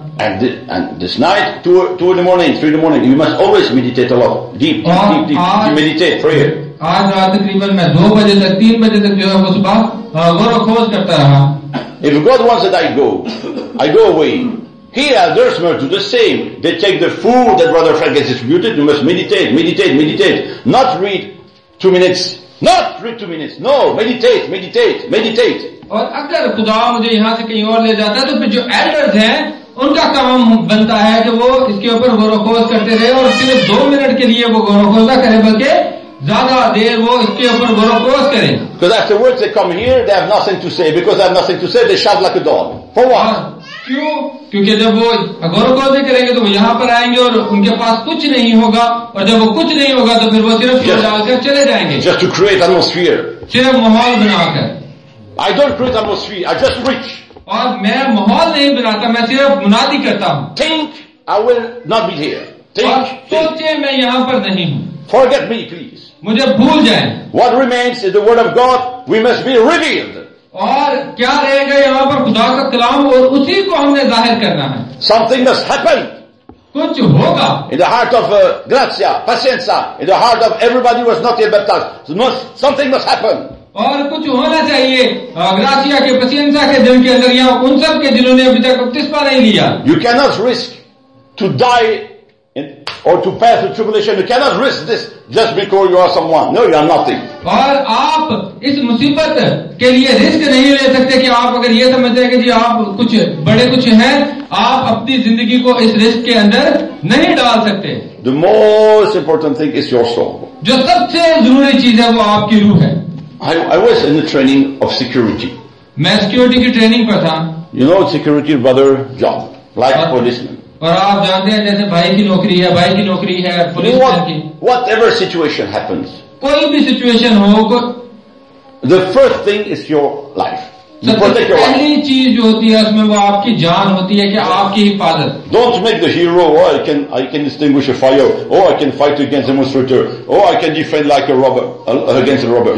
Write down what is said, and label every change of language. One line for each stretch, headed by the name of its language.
English: And this night, two in the morning, three in the morning, you must always meditate a lot. Deep. You meditate, prayer.
Hindi: आज रात तकरीबन मैं 2 बजे तक 3 बजे तक जो है वो सुबह गौरखोज करता रहा.
English: If God wants that I go away. Here, others must do the same. They take the food that Brother Frank has distributed. You must meditate. Not read 2 minutes. No, meditate.
Hindi: और अगर खुदा मुझे यहाँ से कहीं और ले जाता है तो फिर जो elders हैं उनका काम बनता है कि वो इसके ऊपर गौरखोज करते रहे और सिर्फ 2 मिनट के लिए वो गौरखोज ना करें बल्कि ज्यादा देर वो इसके ऊपर गौरखोज करें.
English: Because afterwards they come here, they have nothing to say. Because they have nothing to say, they shout like a dog. For what?
Hindi: क्यों? क्योंकि जब वो गौरखोज करेंगे तो वो यहाँ पर आएंगे और उनके पास कुछ नहीं होगा और जब वो कुछ नहीं होगा तो फिर वो सिर्फ चलाकर चले जाएंगे.
English: Just to create atmosphere.
Hindi: सिर्फ माहौल बनाकर.
English: I don't create atmosphere. I just preach.
Hindi: और मैं माहौल नहीं बनाता. मैं सिर्फ मुनादी करता हूँ.
English: Think I will not be here. Think.
Hindi: सोचे मैं यहाँ पर नहीं हूँ.
English: Forget me, please.
Hindi: मुझे भूल जाए.
English: What remains is the word of God. We must be revealed.
Hindi: और क्या रहेगा यहाँ पर खुदा का कलाम और उसी को हमने जाहिर करना है.
English: Something must happen.
Hindi: कुछ होगा.
English: In the heart of Gracia, Pacienza, in the heart of everybody who was not yet baptized, something must happen.
Hindi: और कुछ होना चाहिए Gracia के Pacienza के दिल के अंदर या उन सब के जिन्होंने अभी तक बपतिस्मा नहीं लिया.
English: You cannot risk to die or to pass the tribulation. You cannot risk this just because you are someone. No, you are nothing.
Hindi: और आप इस मुसीबत के लिए रिस्क नहीं ले सकते कि आप अगर ये समझते हैं कि जी आप कुछ बड़े कुछ हैं, आप अपनी जिंदगी को इस रिस्क के अंदर नहीं डाल सकते.
English: The most important thing is your soul.
Hindi: जो सबसे जरूरी चीज है वो आपकी रूह है.
English: I was in the training of security.
Hindi: मैं सिक्योरिटी की ट्रेनिंग पर था.
English: You know, security is brother job, like policeman.
Hindi: और आप जानते हैं जैसे भाई की नौकरी है पुलिस की.
English: whatever situation happens,
Hindi: कोई भी सिचुएशन हो,
English: The first thing is your life.
Hindi: पहली चीज जो होती है उसमें वो आपकी जान होती है कि आपकी हिफाजत.
English: Don't make the hero, I can distinguish a fire, or I can fight against a demonstrator, or I can defend like a robber against a robber.